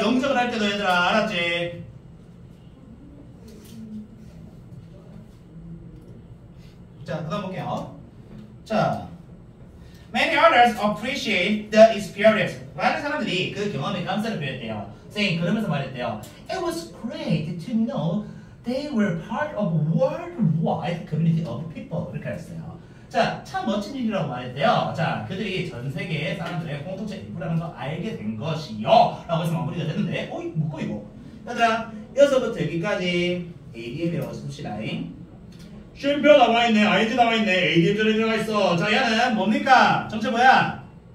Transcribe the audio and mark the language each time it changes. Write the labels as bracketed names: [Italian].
[Korean] 영적을 할 때도, 얘들아. 알았지? 자, 그 다음 볼게요. 자, [English] many others appreciate the experience. [Korean] 많은 사람들이 그 경험에 감사를 표했대요. 선생님, 그러면서 말했대요. [English] It was great to know they were part of worldwide community of people. [Korean] 이렇게 했어요. 자, 참 멋진 일이라고 말했대요. 자, 그들이 전 세계의 사람들의 공통체 일부라는 걸 알게 된 것이요. 라고 해서 마무리가 됐는데, 어이, 묶어, 이거. 얘들아, 여기서부터 여기까지 ADM이라고 씁시다. 쉼표 나와있네, ID 나와있네, ADM절에 들어가있어. 자, 얘는 뭡니까? 정체 뭐야?